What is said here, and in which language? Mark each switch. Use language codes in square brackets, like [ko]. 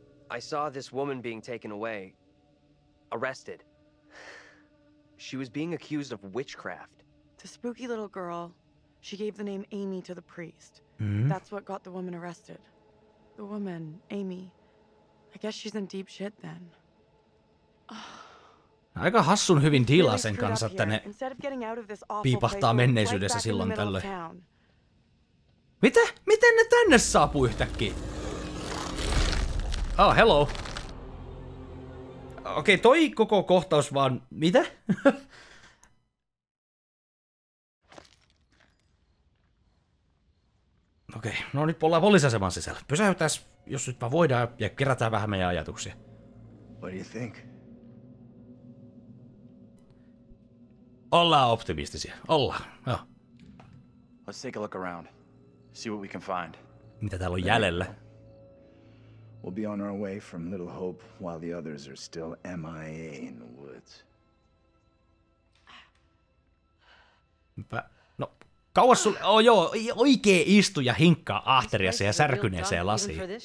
[en] I saw this woman being taken away. Arrested. She was being accused of witchcraft. The spooky little girl. She gave the name Amy to the priest. Mm-hmm. That's what got the woman arrested. The woman, Amy. I guess she's in deep shit then. [fi] Aika hassun hyvin diilaa sen kanssa, että ne piipahtaa menneisyydessä silloin tällöin. Mitä? Miten ne tänne saapuu yhtäkkiä? [en] Oh, hello. [fi] Okei, toi koko kohtaus vaan... Mitä? Okei, no nyt ollaan poliisaseman sisällä. Pysähdytäs, jos nyt vaan voidaan, ja kerätään vähän meidän ajatuksia. [en] What do you think? [fi] Ollaan optimistisia. Ollaan, joo. [en] Let's take a look around. See what we can find. [fi] Mitä täällä on jäljellä? [en] We'll be on our way from Little Hope while the others are still MIA in the woods. [fi] No, kauas sulle... Oh joo, oikee istu ja hinkkaa ahteriasi ja särkyneeseen lasiin.